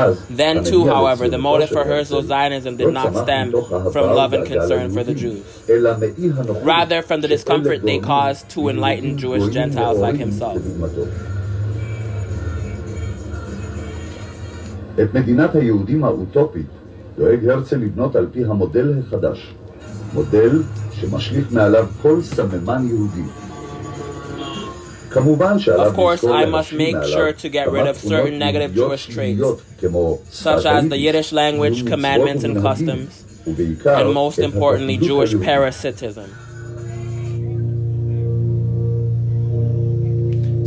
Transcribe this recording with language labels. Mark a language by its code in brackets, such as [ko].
[en] Then too, however, the motive for Herzl's Zionism did not stem from love and concern for the Jews, rather from the discomfort they caused to enlightened Jewish Gentiles like himself. [he] את מדינת היהודים האוטופית דואג הרצל לבנות על פי המודל החדש, מודל שמשליך מעליו כל סממן יהודי. [en] Of course, I must make sure to get rid of certain negative Jewish traits, such as the Yiddish language, commandments and customs, and most importantly, Jewish parasitism.